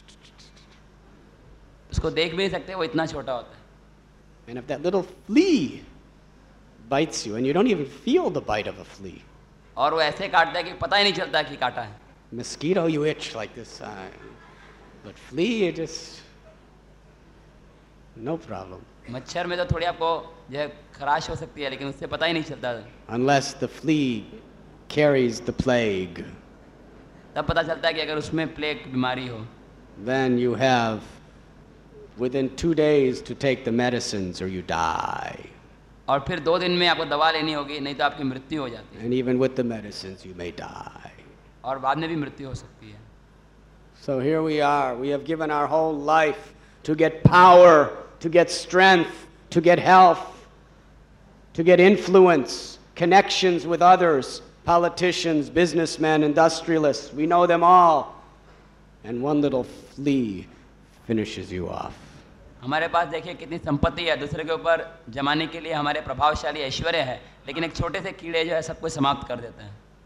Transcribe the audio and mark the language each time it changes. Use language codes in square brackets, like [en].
[hi] उसको देख भी नहीं सकते वो इतना छोटा होता है. [en] And if that little flea bites you, and you don't even feel the bite of a flea. [hi] और वो ऐसे काटता है कि पता ही नहीं चलता कि काटा है [en] Mosquito, you itch like this, but flea, you just, no problem. [hi] मच्छर में तो थोड़ी आपको जो है खराश हो सकती है लेकिन उससे पता ही नहीं चलता [en] Unless the flea carries the plague. [hi] तब पता चलता है कि अगर उसमें प्लेग बीमारी हो [en] Then you have within 2 days to take the medicines or you die. [hi] और फिर दो दिन में आपको दवा लेनी होगी नहीं तो आपकी मृत्यु हो जाती [en] है And even with the medicines, you may die. [hi] और बाद में भी मृत्यु हो सकती है [en] So here we are. We have given our whole life to get power, to get strength, to get health, to get influence, connections with others, politicians, businessmen, industrialists. We know them all. And one little flea finishes you off. [hi] हमारे पास देखिए कितनी संपत्ति है दूसरे के ऊपर जमाने के लिए हमारे प्रभावशाली ऐश्वर्य है लेकिन एक छोटे से कीड़े जो है सब कुछ समाप्त कर देते हैं